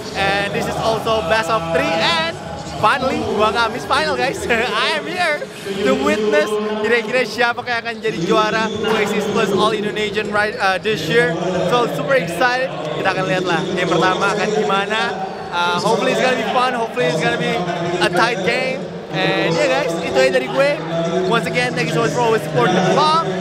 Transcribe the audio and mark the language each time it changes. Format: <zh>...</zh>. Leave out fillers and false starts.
<en>And this is also best of 3, and finally,</en> <id>gua gak</id> <en>miss final guys. I am here to witness</en> <id>kira-kira siapa yang akan jadi juara</id> <en>Waxies Plus All Indonesian this year. So super excited.</en> <id>Kita akan lihat lah game pertama akan gimana.</id> <en>Hopefully it's gonna be fun. Hopefully it's gonna be a tight game. And yeah guys,</en> <id>itu aja dari gue.</id> <en>Once again, thank you so much for always supporting the vlog.</en>